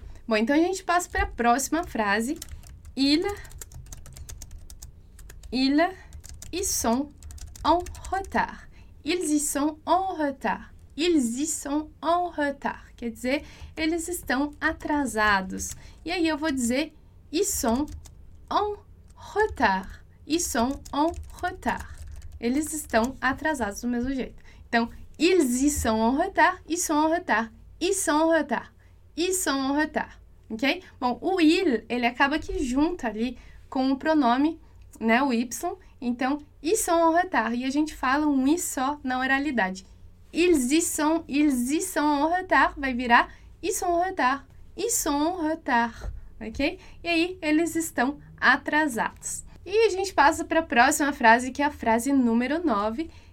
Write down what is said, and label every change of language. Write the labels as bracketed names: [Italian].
[Portuguese] Bom, então a gente passa para a próxima frase. [French] Ils sont en retard. Ils y sont en retard. Ils y sont en retard. [Portuguese] Quer dizer, eles estão atrasados. E aí eu vou dizer [French] ils sont en retard. Ils sont en retard. [Portuguese] Eles estão atrasados do mesmo jeito. [French] Então, ils y sont en retard, ils sont en retard, ils sont en retard, ils sont en retard, ok? [Portuguese] Bom, o il, ele acaba aqui junto ali com o pronome, né, o y. Então, [French] ils sont en retard, [Portuguese] e a gente fala um i só na oralidade. [French] Ils y sont en retard, [Portuguese] vai virar [French] ils sont en retard, ok? [Portuguese] E aí, eles estão atrasados. E a gente passa para a próxima frase, que é a frase número 9.